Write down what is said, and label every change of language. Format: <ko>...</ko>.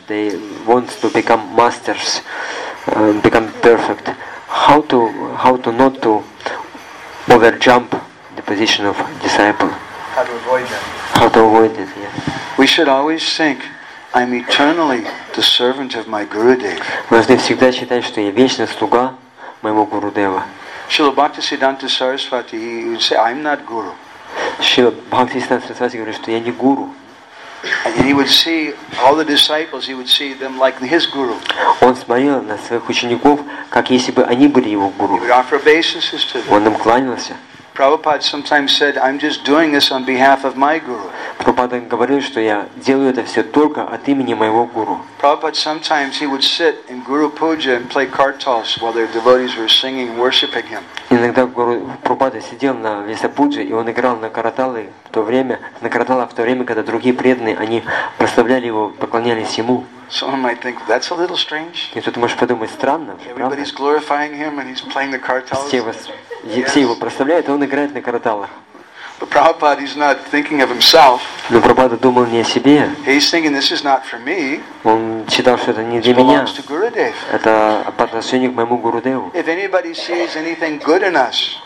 <en>They want to become masters, become perfect. How to not to over jump the position of disciple? How to avoid that? How to avoid it? Yes. We should always think, I'm eternally the servant of my Gurudev.</en> <ru>Мы должны всегда считать, что я вечно слуга моего Гурудева.</ru> <en>Srila Bhaktisiddhanta Sarasvati, he would say, I'm not guru.</en> <ru>Srila Bhaktisiddhanta Sarasvati говорит, что я не гуру.</ru> <en>And he would see all the disciples, he would see them like his guru.</en> <ru>Он смотрел на своих учеников, как если бы они были его гуру.</ru> <en>He would offer obeisances to them.</en> <ru>Он им кланялся.</ru> <en>Prabhupada sometimes said, I'm just doing this on behalf of my guru.</en> <ru>Prabhupada говорил, что я делаю это все только от имени моего гуру.</ru> <en>Prabhupada sometimes he would sit in guru puja and play kartals while their devotees were singing and worshiping him.</en> <ru>Иногда гуру Прабхупада сидел на Весапуджи, и он играл на карталы в то время, когда другие преданные, они прославляли его, поклонялись ему.</ru> <en>Someone might think that's a little strange.</en> <ru>И тут можешь подумать, странно, правда?</ru> <en>Everybody's glorifying him and he's playing the kartals.</en> <ru>Все его прославляют, а он играет на карталах.</ru> <en>But Prabhupada, he's not thinking of himself.</en> <ru>Но Прабхупада думал не о себе.</ru> <en>He's thinking this is not for me.</en> <ru>Он считал, что это не для меня.</ru> <en>It belongs to Gurudev.</en> <ru>Это по отношению к моему Гурудеву.</ru> <en>If anybody sees anything good in us,</en>